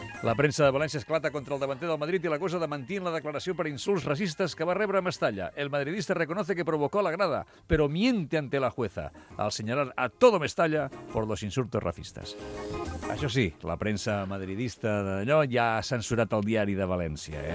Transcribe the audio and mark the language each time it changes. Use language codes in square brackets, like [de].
[ca] La premsa de València esclata contra el davanter del Madrid i l'acusa de mentir en la declaració per insults racistes que va rebre a Mestalla. [es] El madridista reconoce que provocó la grada, però miente ante la jueza al señalar a todo Mestalla por los insultos racistas. [ca] Això sí, la premsa madridista d'allò ja ha censurat el diari de València.